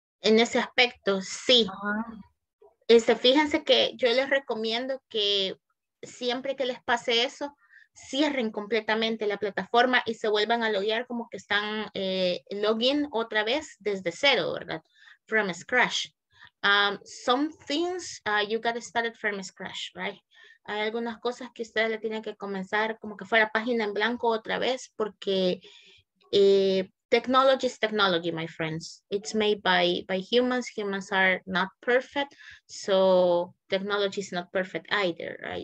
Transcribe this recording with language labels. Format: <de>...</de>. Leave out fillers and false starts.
<es>En ese aspecto, sí. Fíjense que yo les recomiendo que siempre que les pase eso, cierren completamente la plataforma y se vuelvan a loguear como que están login otra vez desde cero, ¿verdad?</es> <en>From scratch. Some things you got started from scratch, right?</en> <es>Hay algunas cosas que ustedes le tienen que comenzar como que fuera página en blanco otra vez, porque</es> <en>Technology is technology, my friends. It's made by humans. Humans are not perfect, so technology is not perfect either, right?</en>